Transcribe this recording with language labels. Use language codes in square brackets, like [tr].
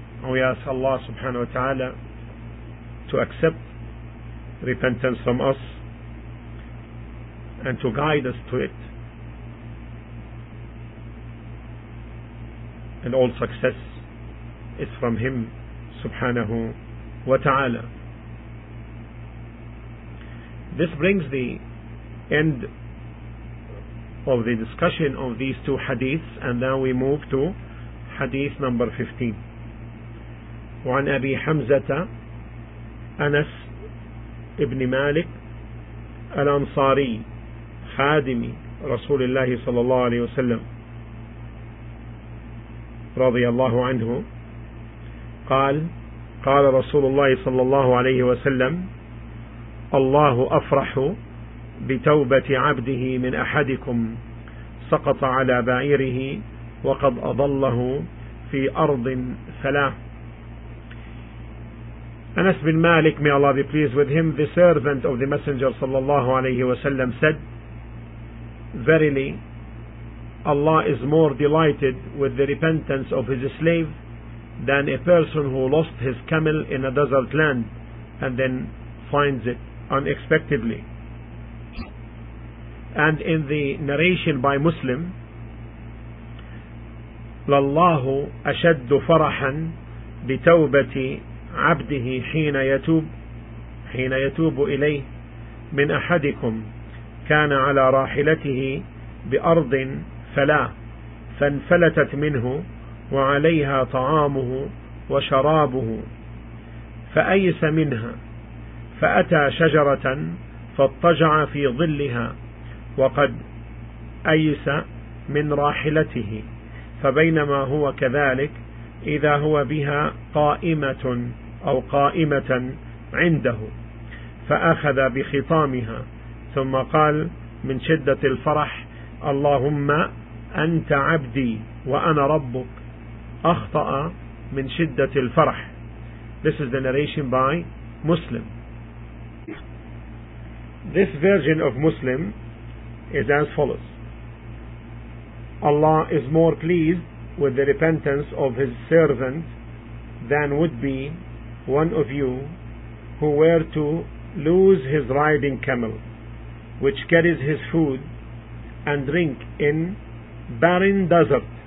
[en] We ask Allah subhanahu wa ta'ala to accept repentance from us and to guide us to it, and all success is from him subhanahu wa ta'ala. This brings the end of the discussion of these two hadiths, and then we move to hadith number 15. [ar] وعن أبي حمزة أنس ابن مالك الأنصاري خادم رسول الله صلى الله عليه وسلم رضي الله عنه قال قال رسول الله صلى الله عليه وسلم الله أفرح بتوبة عبده من أحدكم سقط على بعيره وقد أضله في أرض ثلاث. [en] Anas bin Malik, may Allah be pleased with him, the servant of the Messenger sallallahu alayhi wa sallam, said, verily Allah is more delighted with the repentance of his slave than a person who lost his camel in a desert land and then finds it unexpectedly. And in the narration by Muslim, [ar] لَاللَّهُ أَشَدُّ فَرَحًا بِتَوْبَةِ عَبْدِهِ حِينَ يَتُوبُ إِلَيْهِ مِنْ أَحَدِكُمْ كَانَ عَلَى رَاحِلَتِهِ بِأَرْضٍ فَلَا فَانْفَلَتَتْ مِنْهُ وَعَلَيْهَا طَعَامُهُ وَشَرَابُهُ فَأَيْسَ مِنْهَا فَأَتَى شَجَرَةً فَاطَّجَعَ فِي ظِلِّهَا وقد أيس من راحلته فبينما هو كذلك إذا هو بها قائمة أو قائمة عنده فأخذ بخطامها ثم قال من شدة الفرح اللهم أنت عبدي وأنا ربك أخطأ من شدة الفرح. [en] This is the narration by Muslim. This version of Muslim is as follows. Allah is more pleased with the repentance of his servant than would be one of you who were to lose his riding camel, which carries his food and drink in barren desert,